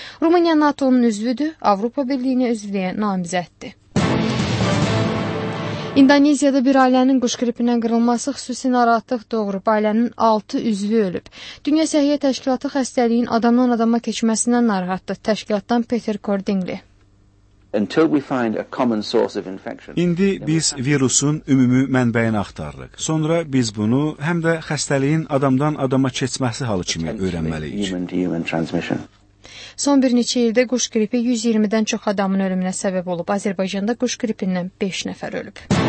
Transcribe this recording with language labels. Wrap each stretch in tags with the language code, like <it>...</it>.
<az>Rumıniya NATO-nun üzvüdür, Avropa Birliyinə üzvləyə namizəddir. İndoneziyada bir ailənin quş qripindən qırılması xüsusi narahatlıq doğurub, ailənin 6 üzvü ölüb. Dünya Səhiyyə Təşkilatı xəstəliyin adamdan adama keçməsindən narahatdır, təşkilatdan Peter Cordingley.</az> <en>Until we find a common source of infection.</en> <az>İndi biz virusun ümumi mənbəyini axtarırıq. Sonra biz bunu həm də xəstəliyin adamdan adama keçməsi halı kimi öyrənməliyik. Son bir neçə ildə quş qripi 120-dən çox adamın ölümünə səbəb olub. Azərbaycanda quş qripindən 5 nəfər ölüb.</az>